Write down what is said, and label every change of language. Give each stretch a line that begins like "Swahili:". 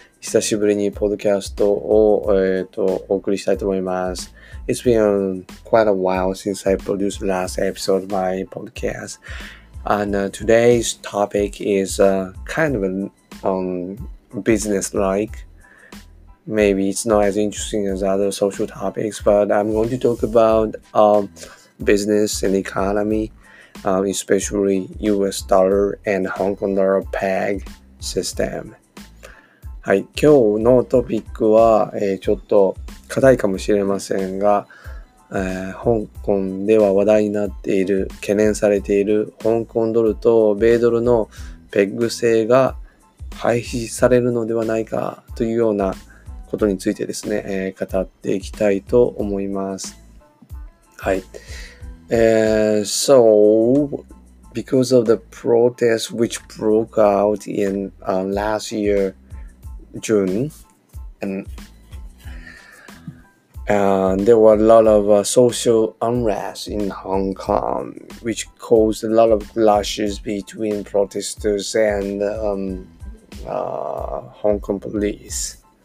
Japanese: 久しぶりにポッドキャストを、お送りしたいと思います。
English: It's been quite a while since I produced last episode of my podcast. And、today's topic is、kind of business-like. Maybe it's not as interesting as other social topics, but I'm going to talk about、business and economy. Especially US dollar and Hong Kong dollar peg system.
Japanese: はい、今日のトピックは、ちょっと硬いかもしれませんが、香港では話題になっている、懸念されている香港ドルと米ドルのペグ制が廃止されるのではないかというようなことについてですね、語っていきたいと思います。はい。
English: So, because of the protests which broke out in、last year, June, and there were a lot of、social unrest in Hong Kong, which caused a lot of clashes between protesters and、Hong Kong police.